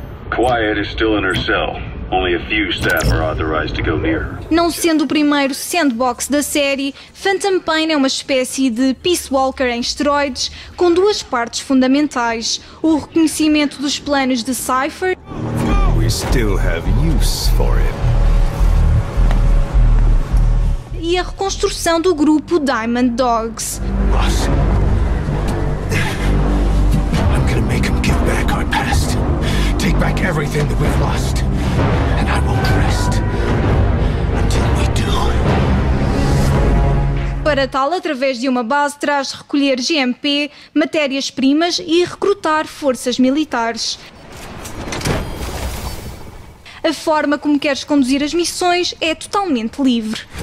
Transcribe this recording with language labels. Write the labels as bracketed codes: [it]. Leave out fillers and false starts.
[en] Quiet is still in her cell. Only a few staff are authorized to go near. [pt] Não sendo o primeiro sandbox da série, Phantom Pain é uma espécie de Peace Walker em esteroides, com duas partes fundamentais: o reconhecimento dos planos de Cypher. [en] We still have use for it. [pt] E a reconstrução do grupo Diamond Dogs. [en] Boss. I'm gonna make him give back our past. Take back everything that we've lost. And I won't rest until we do. [pt] Para tal, através de uma base, terás de recolher GMP, matérias-primas e recrutar forças militares. A forma como queres conduzir as missões é totalmente livre.